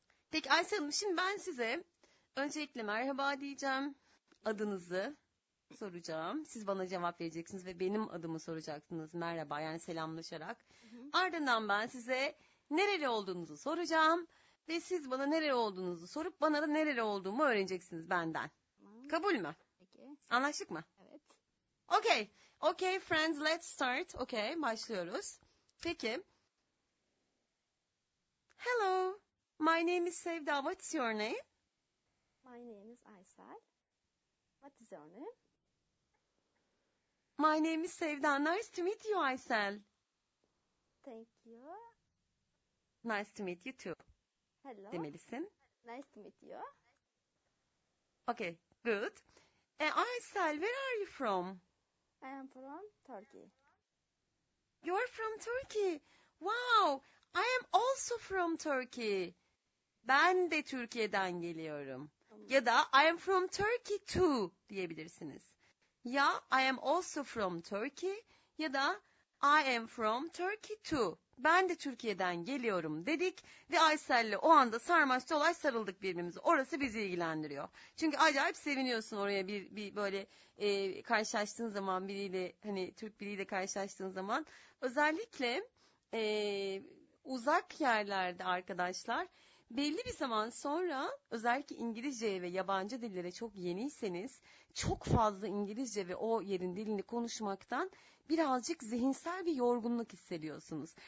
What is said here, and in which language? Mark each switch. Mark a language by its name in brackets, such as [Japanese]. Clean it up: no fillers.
[Turkish] peki Aysel Hanım, şimdi ben size öncelikle merhaba diyeceğim. Adınızı, soracağım. Siz bana cevap vereceksiniz ve benim adımı soracaksınız. Merhaba, yani selamlaşarak. Ardından ben size nereli olduğunuzu soracağım. Ve siz bana nereli olduğunuzu sorup bana da nereli olduğumu öğreneceksiniz benden. Kabul mü? Peki. Anlaştık mı? Evet. [English] Okay. Okay, friends, let's start. [Turkish] Okay, başlıyoruz. Peki. [English] Hello. My name is Sevda. What's your name? My name is Aysel. What is your name? My name is Sevda. Nice to meet you, Aysel. Thank you. Nice to meet you too. Hello. [Turkish] Demelisin. [English] Nice to meet you. Okay, good. Aysel, where are you from? I am from Turkey. You're from Turkey. Wow, I am also from Turkey. [Turkish] Ben de Türkiye'den geliyorum. Ya da [English] I am from Turkey too [Turkish] diyebilirsiniz. Ya [English] I am also from Turkey [Turkish] ya da [English] I am from Turkey too. [Turkish] Ben de Türkiye'den geliyorum dedik ve Aysel'le o anda sarmaş dolaş sarıldık birbirimize. Orası bizi ilgilendiriyor. Çünkü acayip seviniyorsun oraya bir böyle karşılaştığın zaman biriyle, hani Türk biriyle karşılaştığın zaman. Özellikle uzak yerlerde arkadaşlar, belli bir zaman sonra özellikle İngilizceye ve yabancı dillere çok yeniyseniz, çok fazla İngilizce ve o yerin dilini konuşmaktan birazcık zihinsel bir yorgunluk hissediyorsunuz.